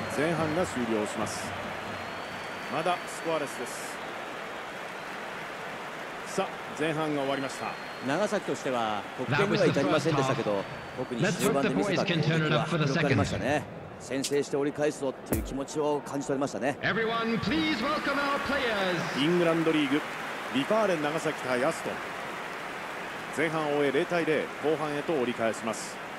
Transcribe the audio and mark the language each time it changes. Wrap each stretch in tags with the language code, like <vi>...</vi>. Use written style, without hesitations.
<ja>前半が終了します。まだスコアレスです。さあ前半が終わりました。長崎としては得点には至りませんでしたけど、特に終盤で見せた攻撃は広がりましたね。先制して折り返すぞという気持ちを感じ取りましたね。</ja> <en>Everyone, please welcome our players.</en> <ja>イングランドリーグ、リパーレン長崎対アストン、前半を終え0対0、後半へと折り返します。</ja>